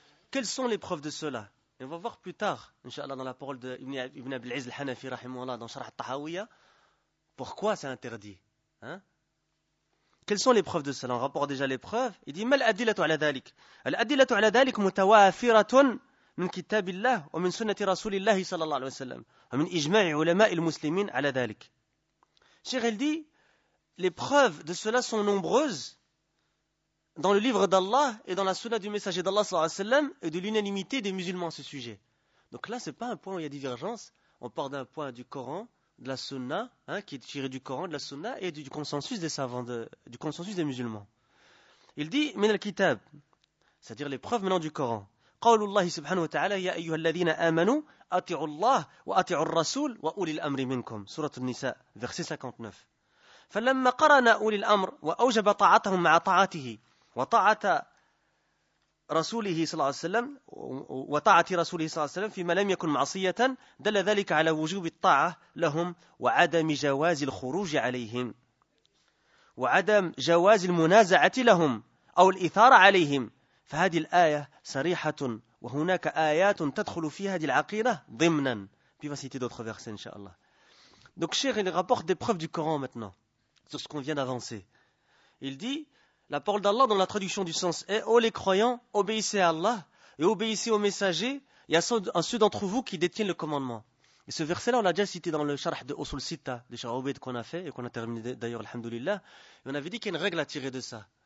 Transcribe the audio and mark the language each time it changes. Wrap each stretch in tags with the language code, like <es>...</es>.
<fr>Quelles sont les preuves de cela ? Et on va voir plus tard, inshallah, dans la parole de Ibn Abil'iz al-Hanafi, rahimahullah, dans Sharh al-Tahawiyya, pourquoi c'est interdit. Hein? Quelles sont les preuves de cela ? On rapporte déjà les preuves. Il dit, «</fr> <ar>Mal adilatu ala dhalik ?»« Al adilatu ala dhalik mutawafiratun من كتاب الله ومن سنة رسول الله صلى الله عليه وسلم ومن إجماع علماء المسلمين على ذلك. شيخ قال</ar> <fr>les preuves de cela sont nombreuses dans le livre d'Allah et dans la sunna du messager d'Allah sallallahu alayhi wa sallam et de l'unanimité des musulmans à ce sujet. Donc là, ce n'est pas un point où il y a divergence. On part d'un point du Coran, de la sunna, hein, qui est tiré du Coran, de la sunna et du consensus des savants, du consensus des musulmans. Il dit, « Min al-kitab », c'est-à-dire les preuves maintenant du Coran.</fr> <ar>« قَوْلُ اللَّهِ سُبْحَانَهُ وَتَعَالَى يَا أَيُّهَا الَّذِينَ آمَنُوا أَطِعُوا اللَّهِ وَأَطِعُوا الرَّسُولِ وَأُولِي الْأَمْرِ مِنْكُمْ »</ar> <fr>Sourate An-Nisa, verset 59.</fr> <ar>« فَلَمَّا قَرَنَا أُولِي الْأَمْرِ وَأَوْجَبَ طَعَتَهُمْ مَعَ طَعَتِهِ وَطَعَتَ رسوله صلى الله عليه وسلم وطاعة رسوله صلى الله عليه وسلم فيما لم يكن معصية دل ذلك على وجوب الطاعة لهم وعدم جواز الخروج عليهم وعدم جواز المنازعة لهم أو الإثارة عليهم فهذه الآية صريحة وهناك آيات تدخل في هذه العقيدة ضمنا</ar> <fr>بفاسيتي دوتر فيرسي</fr> <ar>إن شاء الله.</ar> <fr>Donc cher, il rapporte des preuves du Coran maintenant sur ce qu'on vient d'avancer. Il dit: la parole d'Allah dans la traduction du sens est « Ô les croyants, obéissez à Allah et obéissez aux messagers et à ceux d'entre vous qui détiennent le commandement. » Et ce verset-là, on l'a déjà cité dans le sharh de Usul Sitta, de Sharh Obed qu'on a fait et qu'on a terminé d'ailleurs, alhamdoulilah. Et on avait dit qu'il y a une règle à tirer de ça.</fr>